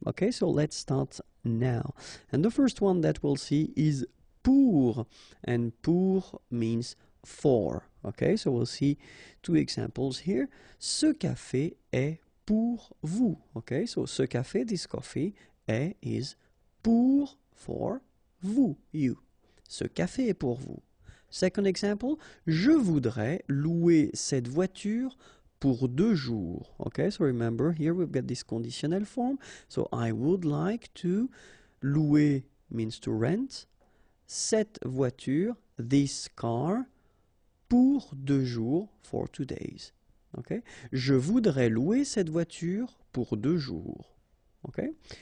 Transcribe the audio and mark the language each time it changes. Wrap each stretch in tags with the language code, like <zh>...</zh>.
<en>Okay, so let's start now. And the first one that we'll see is pour, and pour means for. Okay, so we'll see two examples here.</en> <fr>Ce café est pour vous.</fr> <en>Okay, so</en> <fr>ce café,</fr> <en>this coffee, is pour, for, vous, you.</en> <fr>Ce café est pour vous.</fr> <en>Second example,</en> <fr>je voudrais louer cette voiture pour 2 jours.</fr> <en>Okay, so remember, here we've got this conditional form. So I would like to, louer means to rent,</en> <fr>cette voiture,</fr> <en>this car,</en> <fr>pour 2 jours,</fr> <en>for 2 days. Okay?</en> <fr>Je voudrais louer cette voiture pour 2 jours. Okay?</fr>